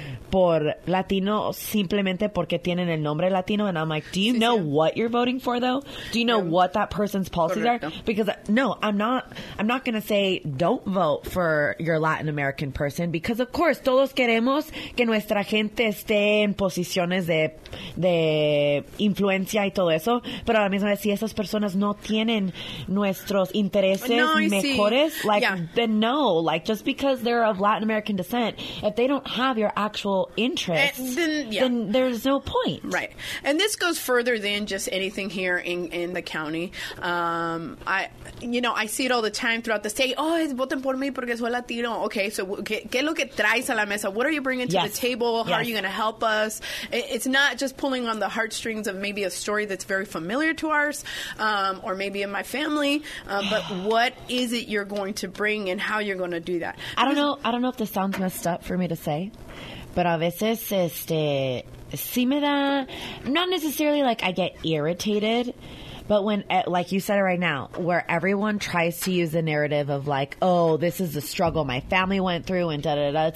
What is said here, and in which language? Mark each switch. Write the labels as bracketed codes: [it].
[es] por latino simplemente porque tienen el nombre latino. [en] And I'm like, do you know what you're voting for, though? Do you know what that person's policies are? Because, no, I'm not going to say don't vote for your Latin American person. Because, of course, [es] todos queremos que nuestra gente esté en posiciones de influencia y todo eso. Pero a la misma vez, si esas personas no tienen nuestros intereses mejores, [en] then no. Like, just because they're of Latin American descent, if they don't have your actual interest, then there's no point. Right. And this goes further than just anything here in the county. I see it all the time throughout the state. [es] Oh, es voten por mí porque soy latino. [en] Okay, so [es] ¿qué es lo que traes a la mesa? [en] What are you bringing to the table? How are you going to help us? It's not just pulling on the heartstrings of maybe a story that's very familiar to ours, or maybe in my family, but what is it you're going to bring and how you're going to do that? I don't know if this sounds messed up for me to say. But [es] a veces, sí me da, [en] not necessarily like I get irritated, but when, like you said right now, where everyone tries to use the narrative of like, oh, this is the struggle my family went through and da-da-da-da.